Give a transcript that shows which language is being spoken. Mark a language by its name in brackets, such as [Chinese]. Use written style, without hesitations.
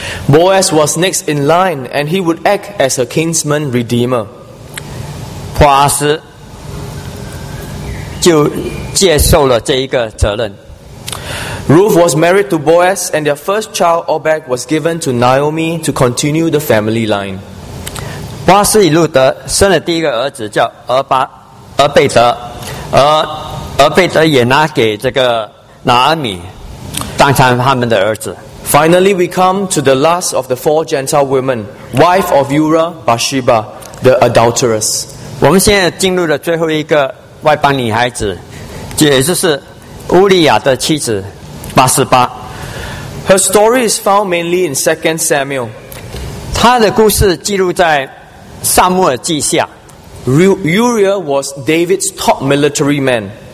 [English] Boaz was next in line, and he would act as a kinsman redeemer. [Chinese] 华斯就接受了这一个责任。 [English] Ruth was married to Boaz, and their first child, Obed, was given to Naomi to continue the family line. [Chinese] 华斯与路德生了第一个儿子叫俄贝德，俄贝德也拿给这个拿阿米当成他们的儿子。 [English] Finally, we come to the last of the four Gentile women, wife of Uriah, Bathsheba, the adulteress. [Chinese] 我们现在进入了最后一个外邦女孩子，也就是乌利亚的妻子巴示巴。 [English] Her story is found mainly in 2 Samuel. [Chinese] 她的故事记录在撒母耳记下。 [English] Uriah was David's top military man.